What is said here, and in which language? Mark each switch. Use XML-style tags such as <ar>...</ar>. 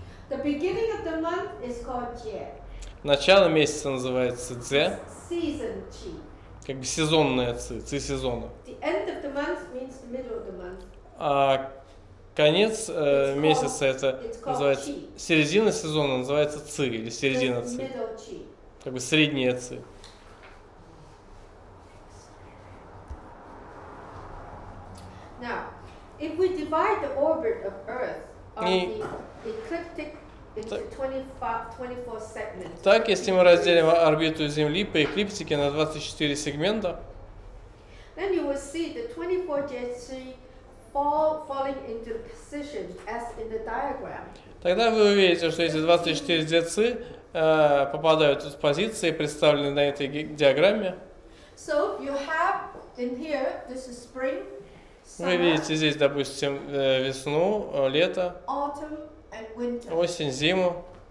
<en>The beginning of the month is called jie.</en> <ru>Начало месяца называется дзе.</ru> <en>Season qi.</en> <ru>Как бы сезонная ци, ци сезона.</ru> <en>The end of the month means the middle of the month.</en> <ru>А конец месяца это называется qi. Середина сезона называется ци или середина ци. Как бы средняя ци.</ru> <en>Now, if we divide the orbit of Earth on the ecliptic into 24 segments.</en> <ru>Так, если мы разделим орбиту Земли по эклиптике на 24 сегмента.</ru> <en>Then you will see the 24 falling into position as in the diagram.</en> <ru>Тогда вы увидите, что эти 24 попадают в позиции, представленные на этой диаграмме.</ru> <en>So you have in here, this is spring.</en> <ru>Вы видите здесь, допустим, весну, лето, осень, зиму.</ru>